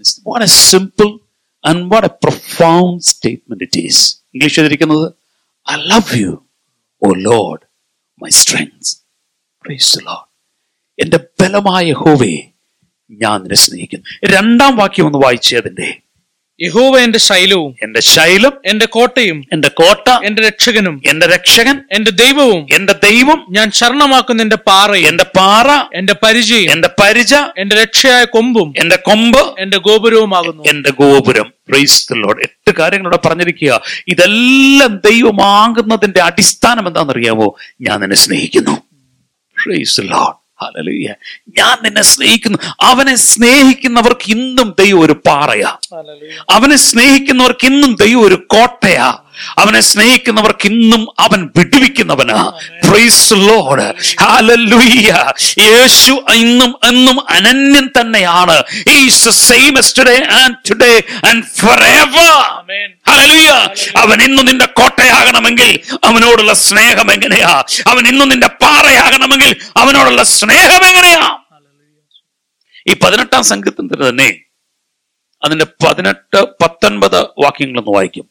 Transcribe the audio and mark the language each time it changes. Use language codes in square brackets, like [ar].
[en] What a simple and what a profound statement it is. [ml] English എഴുതിയിരിക്കുന്നത് [en] I love you, O Lord, my strength. Praise the Lord. [ml] എന്റെ ബലമായ യഹോവേ, ഞാൻ നിന്നെ സ്നേഹിക്കുന്നു. രണ്ടാം വാക്യം ഒന്ന് വായിച്ചേ. അതിന്റെ യഹോവ എന്റെ ശൈലവും, എന്റെ ശൈലം, എന്റെ കോട്ടയും, എന്റെ കോട്ട, എന്റെ രക്ഷകനും, എന്റെ രക്ഷകൻ, എന്റെ ദൈവവും, എന്റെ ദൈവം, ഞാൻ ശരണമാക്കുന്ന എന്റെ പാറ, എന്റെ പാറ, എന്റെ പരിചയം, എന്റെ പരിച, എന്റെ രക്ഷയായ കൊമ്പും, എന്റെ കൊമ്പ്, എന്റെ ഗോപുരവുമാകുന്നു, എന്റെ ഗോപുരം. Praise the Lord. എട്ട് കാര്യങ്ങൾ ഇവിടെ പറഞ്ഞിരിക്കുക. ഇതെല്ലാം ദൈവമാകുന്നതിന്റെ അടിസ്ഥാനം എന്താണെന്നറിയാമോ? ഞാൻ നിന്നെ സ്നേഹിക്കുന്നു. Praise the Lord. ഹല്ലേലൂയ. ഞാൻ നിന്നെ സ്നേഹിക്കുന്നു. അവനെ സ്നേഹിക്കുന്നവർക്ക് ഇന്നും ദൈവം ഒരു പാറയാ. അവനെ സ്നേഹിക്കുന്നവർക്ക് ഇന്നും ദൈവം ഒരു കോട്ടയാ. അവനെ സ്നേഹിക്കുന്നവർക്ക് ഇന്നും അവൻ വിടുവിക്കുന്നവനാ. Praise the Lord. ഹല്ലേലൂയ. യേശു ഇന്നും എന്നും അനന്യൻ തന്നെയാണ്. [en] He is the same yesterday and today and forever. [ml] Hallelujah. അവൻ ഇന്നും നിന്റെ കോട്ടയാകണമെങ്കിൽ അവനോടുള്ള സ്നേഹം എങ്ങനെയാ? അവൻ ഇന്നും നിന്റെ പാറയാകണമെങ്കിൽ അവനോടുള്ള സ്നേഹം എങ്ങനെയാ? ഈ 18 സങ്കീർത്തനത്തിൽ തന്നെ അതിന്റെ 18:19 വാക്യങ്ങൾ ഒന്ന് വായിക്കും.